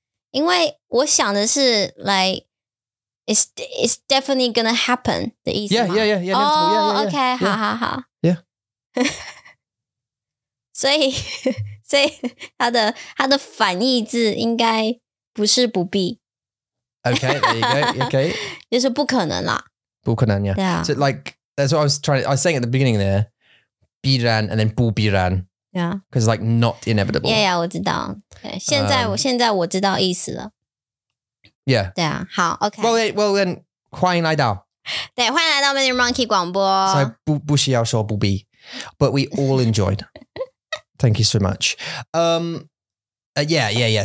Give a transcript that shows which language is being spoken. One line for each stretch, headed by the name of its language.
Chinese: 因为我想的是
English: like, it's definitely gonna happen, 的意思。 Yeah, yeah, yeah, yeah, yeah, yeah, yeah, yeah.
Chinese: OK, 好好好。
English: Yeah, yeah, yeah. Yeah.
Chinese: 所以他的反义字应该不是不必。
English: Okay, there you go. Okay.
Chinese: 就是不可能啦。不可能呀。
English: Yeah. So like, that's what I was trying, I was saying at the beginning there, 必然 and then 不必然。 Yeah. Because like not inevitable. Yeah, yeah,
Chinese: 我知道。对，现在我现在我知道意思了。
English: Yeah.
Chinese: 对啊，好 ,OK.
English: Well, then,
Chinese: 欢迎来到。对，欢迎来到 Mandarin Monkey 广播。
English: So,
Chinese: 不需要说不必。
English: But we all enjoyed. Thank you so much. Yeah.